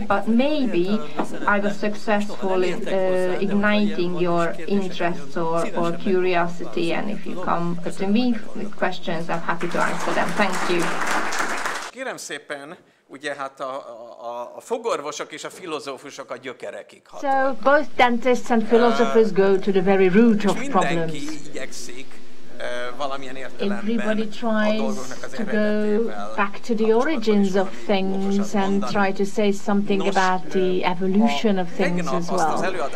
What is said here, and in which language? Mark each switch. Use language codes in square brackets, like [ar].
[en] But maybe I was successful in igniting your interests or curiosity. And if you come to me with questions, I'm happy to answer them. Thank you. [hu] Kérem szépen. Ugye hát a fogorvosok és a filozófusok a gyökerekig hatnak. [en] So both dentists and philosophers go to the very root of problems. [hu] Mindenki igyekszik valamilyen értelemben. [en] Everybody tries to go back to the origins of things and try to say something about the evolution of things as well.